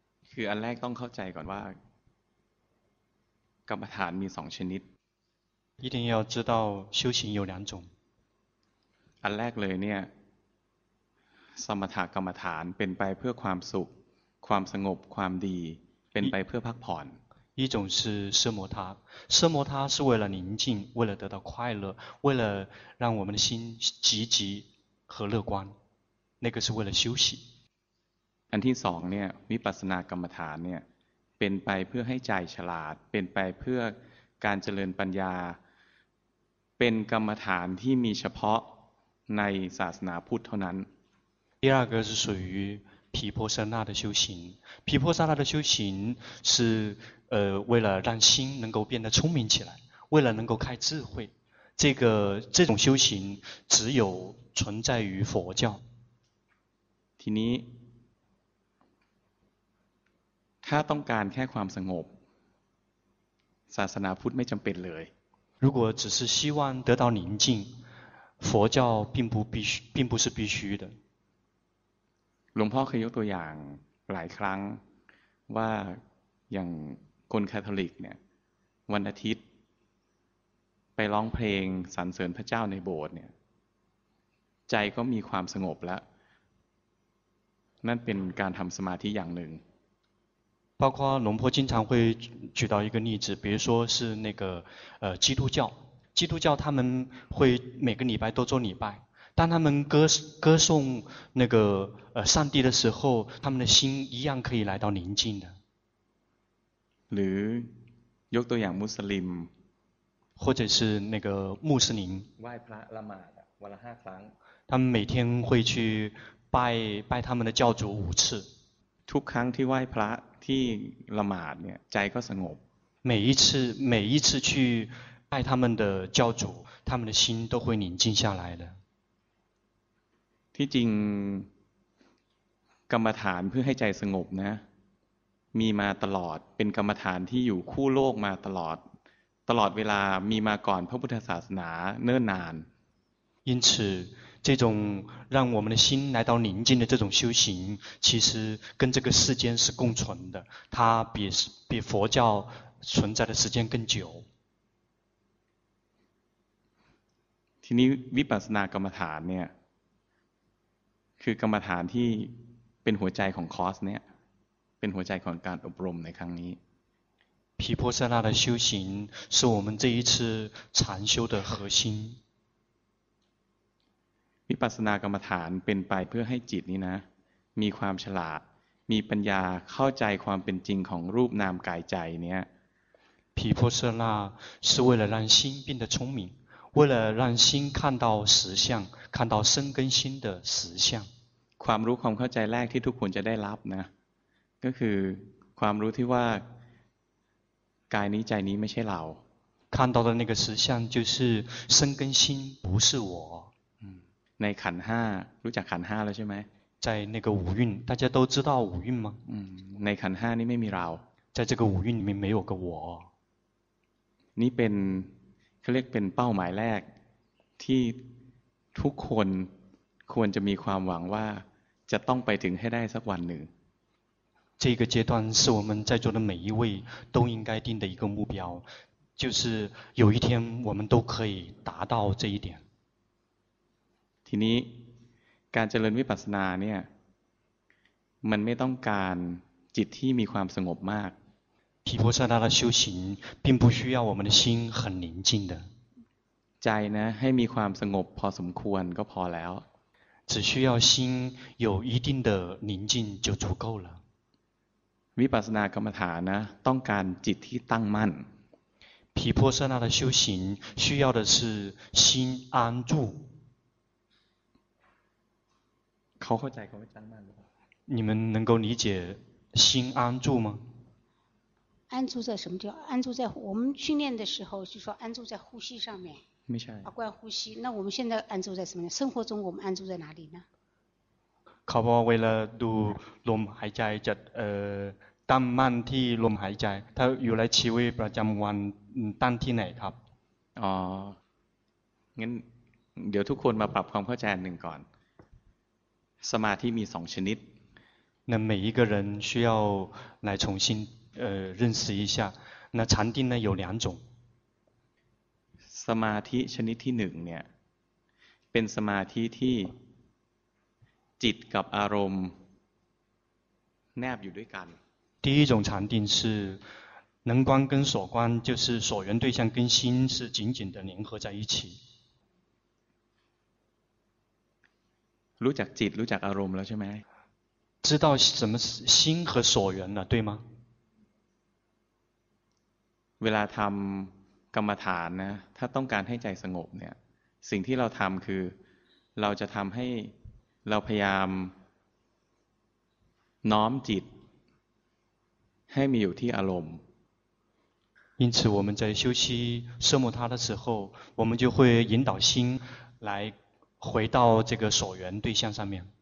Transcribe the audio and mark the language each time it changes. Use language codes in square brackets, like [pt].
[th] คืออันแรกต้องเข้าใจก่อนว่ากรรมฐานมีสองชนิด [zh] 一定要知道修行有两种 [th] อันแรกเลยเนี่ยสมถกรรมฐานเป็นไปเพื่อความสุขความสงบความดีเป็นไปเพื่อพักผ่อน [zh] 一种是奢摩他，奢摩他是为了宁静，为了得到快乐，为了让我们的心积极和乐观，那个是为了休息。 [th] อันที่สองเนี่ยวิปัสสนากรรมฐานเนี่ยเป็นไปเพื่อให้ใจฉลาดเป็นไปเพื่อการเจริญปัญญาเป็นกรรมฐานที่มีเฉพาะในศาสนาพุทธเท่านั้น [zh] 第二个是属于毗婆舍那的修行，毗婆舍那的修行是为了让心能够变得聪明起来，为了能够开智慧，这种修行只有存在于佛教。 [th] ทีนี้ถ้าต้องการแค่ความสงบศาสนาพุทธไม่จำเป็นเลย [zh] 如果只是希望得到宁静佛教并不是必须的 [th] หลวงพ่อเคยยกตัวอย่างหลายครั้งว่าอย่างคนคาทอลิกเนี่ยวันอาทิตย์ไปร้องเพลงสรรเสริญพระเจ้าในโบสถ์เนี่ยใจก็มีความสงบแล้วนั่นเป็นการทำสมาธิอย่างหนึ่ง [zh] 包括หลวงพ่อ经常会举到一个例子比如说是那个基督教基督教他们会每个礼拜都做礼拜当他们歌颂那个上帝的时候，他们的心一样可以来到宁静的。 [th] หรือยกตัวอย่างมุสลิม， [zh] 或者是那个穆斯林。 [th] ไหว้พระละหมาดวันละห้าครั้ง。 [zh] 他们每天会去拜他们的教主五次。 [th] ทุกครั้งที่ไหว้พระที่ละหมาดเนี่ยใจก็สงบ。 [zh] 每一次去拜他们的教主，他们的心都会宁静下来的。 [th] ที่จริงกรรมฐานเพื่อให้ใจสงบนะมีมาตลอดเป็นกรรมฐานที่อยู่คู่โลกมาตลอดเวลามีมาก่อนพระพุทธศาสนาเนิ่นนาน [zh] 因此这种让我们的心来到宁静的这种修行其实跟这个世间是共存的它比佛教存在的时间更久 [th] ทีนี้วิปัสสนากรรมฐานเนี่ยคือกรรมฐานที่เป็นหัวใจของคอร์สเนี่ยเป็นหัวใจของการอบรมในครั้งนี้ [zh] 毗婆舍那的修行是我们这一次禅修的核心 [th] วิปัสสนากรรมฐานเป็นไปเพื่อให้จิตนี้นะมีความฉลาดมีปัญญาเข้าใจความเป็นจริงของรูปนามกายใจเนี่ย [zh] 毗婆舍那是为了让心变得聪明为了让心看到实相看到身跟心的实相 [th] ความรู้ความเข้าใจแรกที่ทุกคนจะได้รับนะก็คือความรู้ที่ว่ากายนี้ใจนี้ไม่ใช่เรา [zh] 看到的那个实相就是身跟心不是我。 [th] ในขันห้า รู้จักขันห้าแล้วใช่ไหม [zh] 在那个五蕴大家都知道五蕴吗 [th] ในขันห้านี่ไม่มีเรา [zh] 在这个五蕴里面没有个我 [th] นี่เป็นเขาเรียกเป็นเป้าหมายแรกที่ทุกคนควรจะมีความหวังว่าจะต้องไปถึงให้ได้สักวันหนึ่ง [zh] 这个阶段是我们在座的每一位都应该定的一个目标就是有一天我们都可以达到这一点 [th] ทีนี้การเจริญวิปัสสนาเนี่ยมันไม่ต้องการจิตที่มีความสงบมาก [zh] วิปัสสนา的修行并不需要我们的心很宁静的 [th] ใจนะให้มีความสงบพอสมควรก็พอแล้ว [zh] 只需要心有一定的宁静就足够了 [th] วิปัสสนากรรมฐานนะต้องการจิตที่ตั้งมั่น [zh] วิปัสสนา的修行需要的是心安住 [th] เขาเข้าใจคำว่าตั้งมั่นหรือเปล่า [zh] 你们能够理解心安住吗安住在什么叫安住在我们训练的时候就说安住在呼吸上面没事啊观呼吸那我们现在安住在什么生活中我们安住在哪里呢 [th] เขาบอกเวลาดูลมหายใจจะตั้งมั่นที่ลมหายใจถ้าอยู่ในชีวิตประจำวันตั้งที่ไหนครับ งั้นเดี๋ยวทุกคนมาปรับความเข้าใจหนึ่งก่อนสมาธิมีสองชนิด [zh] 那每一个人需要来重新认识一下那禅定呢有两种 [th] สมาธิชนิดที่หนึ่งเนี่ยเป็นสมาธิที่จิตกับอารมณ์แนบอยู่ด้วยกัน [zh] 第一种禅定是能观跟所观就是所缘对象跟心是紧紧的联合在一起 [th] รู้จักจิตรู้จักอารมณ์แล้วใช่ไหม [zh] 知道什么心和所缘了对吗 [th] เวลาทำกรรมฐานนะถ้าต้องการให้ใจสงบเนี่ยสิ่งที่เราทำคือเราจะทำให้เราพยายามน้อมจิตให้มีอยู่ที่อารมณ์ [zh] 因此我们在修习奢摩他的时候我们就会引导心来回到这个所缘对象上面